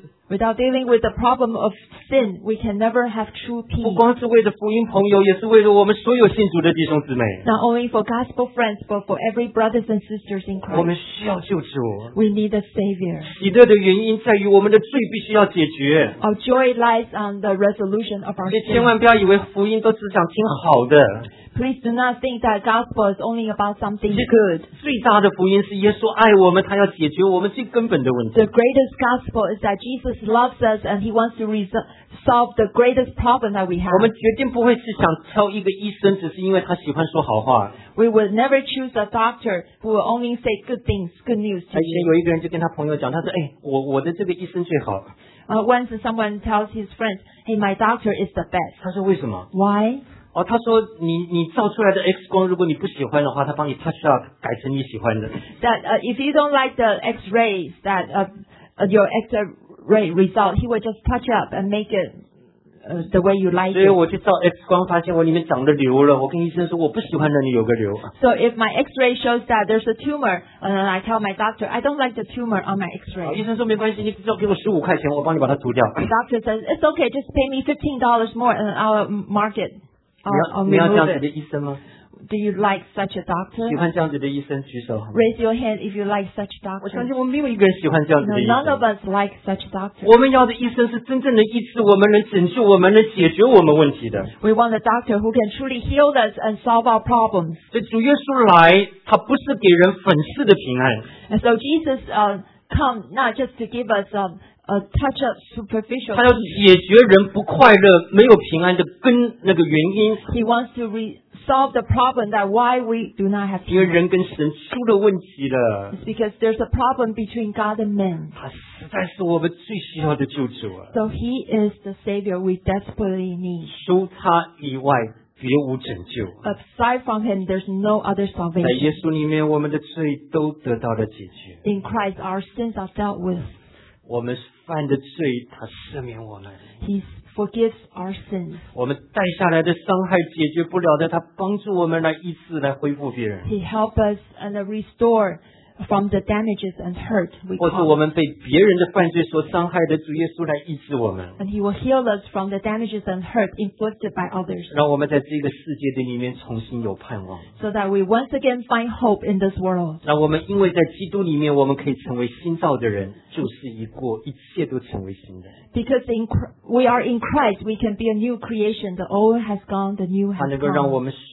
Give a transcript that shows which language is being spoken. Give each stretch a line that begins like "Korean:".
English: without dealing with the problem of sin, we can never have true peace.
Chinese: 不光是为了福音朋友,
English: not only for gospel friends, but for every brothers and sisters in Christ.
Chinese: 我们需要救主,
English: we need a Savior.
Chinese: 喜乐的原因在于我们的罪必须要解决,
English: our joy lies on the resolution of our sin.
Chinese: 千万不要以为福音都只想听好的,
English: please do not think that gospel is only about something good.
Chinese: 最大的福音是耶稣爱我们, 祂要解决我们最根本的问题。
English: The greatest gospel is that Jesus loves us and He wants to solve the greatest problem that we have.
Chinese: 我们决定不会是想挑一个医生, 只是因为他喜欢说好话。
English: We would never choose a doctor who will only say good things, good news to you.
Chinese: 有一个人就跟他朋友讲, 他说, 哎, 我的这个医生最好。
English: Once someone tells his friends, hey, my doctor is the best.
Chinese: 他说为什么?
English: Why?
Chinese: 哦, 他说你照出来的 X光, 如果你不喜欢的话, 他帮你 touch up, 改成你喜欢的。
English: That if you don't like the X-rays, that your X-ray result, he will just touch up and make it the way you like it.
Chinese: 所以我去照 X光, 发现我里面长了瘤了, 我跟医生说我不喜欢那里有个瘤。
English: So if my X-ray shows that there's a tumor, and I tell my doctor, I don't like the tumor on my X-ray.
Chinese: 医生说没关系, 你只要给我15块钱, 我帮你把它涂掉。
English: The doctor says, it's okay, just pay me $15 more and I'll mark it.
Chinese: 你要这样子的医生吗?
English: do you like such a doctor?
Chinese: 喜欢这样子的医生,
English: Raise your hand if you like such a doctor.
Chinese: 我相信我们没有一个人喜欢这样子的医生。
English: No, none of us like such a doctor.
Chinese: 我们要的医生是真正的医治我们的拯救我们的解决我们问题的。
English: We want a doctor who can truly heal us and solve our problems.
Chinese: 所以主耶稣来,他不是给人粉饰的平安。
English: And so Jesus come not just to give us a touch of superficial.
Chinese: 他要解决人不快乐,没有平安的根那个原因。
English: He wants to solve the problem that why we do not have peace.
Chinese: 因为人跟神出了问题了。
English: It's because there's a problem between God and man.
Chinese: 他实在是我们最需要的救主啊。
English: So he is the savior we desperately need.
Chinese: 除他以外, 别无拯救。
English: Aside from him, there's no other salvation.
Chinese: 在耶稣里面,我们的罪都得到了解决。
English: In Christ, our sins are dealt with.
Chinese: 我们犯的罪,他赦免我们。
English: He forgives our sins.
Chinese: 我们带下来的伤害解决不了的,他帮助我们来医治,来恢复别人。
English: He helps us and restore from the damages and hurt we cause.
Chinese: 或是我们被别人的犯罪所伤害的,主耶稣来医治我们。
English: And he will heal us from the damages and hurt inflicted by others.
Chinese: 让我们在这个世界的里面重新有盼望。
English: So that we once again find hope in this world.
Chinese: 让我们因为在基督里面,我们可以成为新造的人。就是一过,一切都成为新的。
English: Because we are in Christ, we can be a new creation. The old has gone, the new has come.